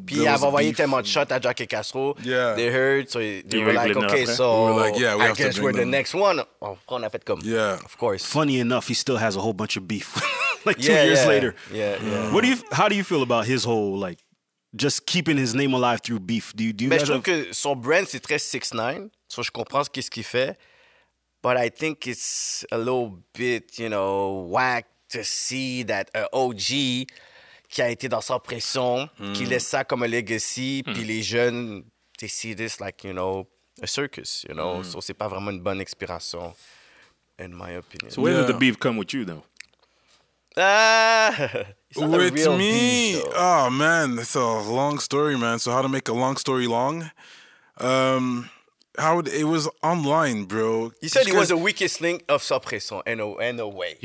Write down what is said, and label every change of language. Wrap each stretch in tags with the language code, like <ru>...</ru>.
<fr>beef.</fr> <en>Yeah, I've</en> <fr>envoyé tellement de shot à Jacky Castro.</fr> <en>Yeah. They heard, so they were like, okay, so I guess we're the next one.</en> <fr>On a fait comme.</fr> <en>Yeah. Of course. Funny enough, he still has a whole bunch of beef. Like 2 years later. Yeah. What do you? How do you feel about his whole, like, just keeping his name alive through beef? Do you</en> <fr>mais je trouve que son brand, c'est très 6ix9ine.</fr> <en>So</en> <fr>je comprends ce qu'il fait.</fr> <en>But I think it's a little bit, you know, whack to see that an OG</en> <fr>qui a été dans sa pression, qui laisse ça comme un legacy, puis les jeunes,</fr> <en>they see this like, you know, a circus, you know.</en> <fr>So c'est pas vraiment une bonne inspiration,</fr> <en>in my opinion. So where did the beef come with you, though? With me, beef, oh man, that's a long story, man. So how to make a long story long? It was online, bro. You said he was the weakest link of suppression in a way.</en>